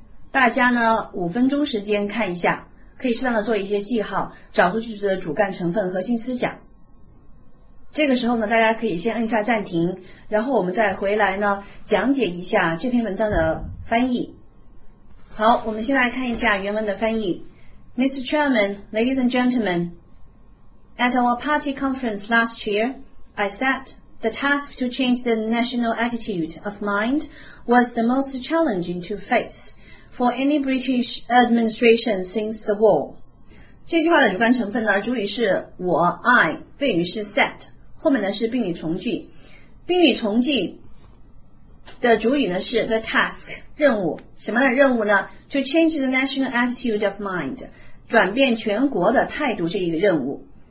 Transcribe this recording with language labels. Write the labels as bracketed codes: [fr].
[zh] 大家呢，五分钟时间看一下，可以适当的做一些记号，找出句子的主干成分、核心思想。这个时候呢，大家可以先按下暂停，然后我们再回来呢，讲解一下这篇文章的翻译。好，我们先来看一下原文的翻译。 [en] Mr. Chairman, ladies and gentlemen, at our party conference last year, I said the task to change the national attitude of mind was the most challenging to face for any British administration since the war. [zh] 这句话的主干成分呢，主语是我 I， 谓语是 said， 后面呢是宾语从句。宾语从句的主语呢是 the task， 任务。什么的任务呢？ [en] To change the national attitude of mind， [zh] 转变全国的态度，这一个任务。